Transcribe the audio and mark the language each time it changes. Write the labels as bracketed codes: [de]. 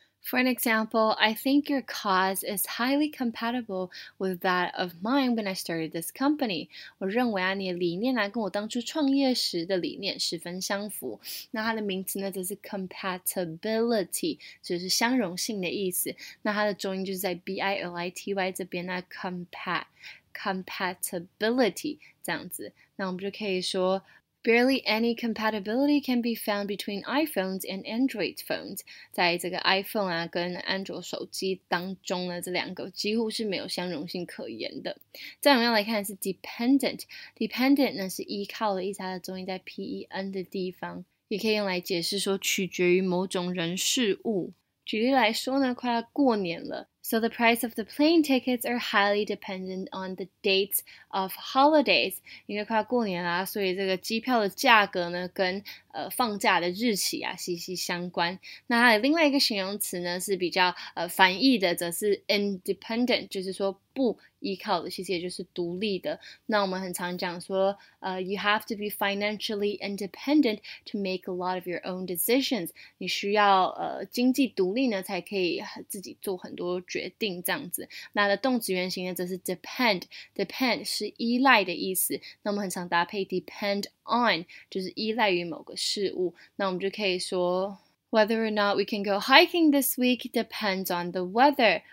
[en] For an example, I think your cause is highly compatible with that of mine when I started this company. [zh] 我认为啊，你的理念啊，跟我当初创业时的理念十分相符。那它的名词呢，就是 compatibility， 就是相容性的意思。那它的重音就是在 bility 这边啊 compatibility 这样子。那我们就可以说。 [en] Barely any compatibility can be found between iPhones and Android phones. [zh] 在这个 iPhone 啊跟安卓手机当中呢，这两个几乎是没有相容性可言的。再我们要来看是 dependent. Dependent 呢是依靠的意思，它的重音在 P-E-N 的地方，也可以用来解释说取决于某种人事物。举例来说呢，快要过年了。 [en] So the price of the plane tickets are highly dependent on the dates of holidays. [zh] 因为快要过年啦，所以这个机票的价格呢，跟放假的日期啊息息相关。那它的另外一个形容词呢，是比较反义的，则是 independent， 就是说不依靠的，其实也就是独立的。那我们很常讲说， [en] you have to be financially independent to make a lot of your own decisions. [zh] 你需要经济独立呢，才可以自己做很多。决定这样子，那的动词原形呢，则是 depend 是依赖的意思。那我们很常搭配 depend on， 就是依赖于某个事物。那我们就可以说 [en] ，Whether or not we can go hiking this week depends on the weather。